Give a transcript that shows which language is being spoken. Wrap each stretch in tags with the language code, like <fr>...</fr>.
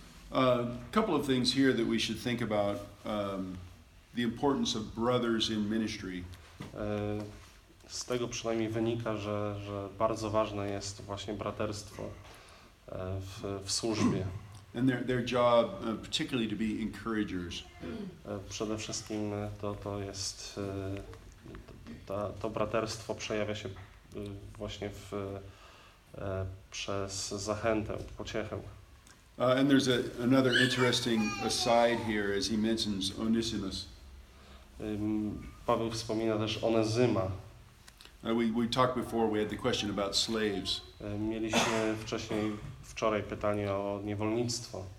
<en>A couple of things here that we should think about, the importance of brothers in ministry.</en> <pl>Z tego przynajmniej wynika, że bardzo ważne jest właśnie braterstwo w służbie.</pl> <en>And their job, particularly to be encouragers.</en> <pl>Przede wszystkim to jest to braterstwo przejawia się właśnie w przez zachętę, pociechę.</pl> <en>And there's another interesting aside here as he mentions Onesimus.</en> <pl>Paweł wspomina też Onezyma.</pl> <en>We talked before, we had the question about slaves.</en> <pl>Mieliśmy wczoraj pytanie o niewolnictwo.</pl>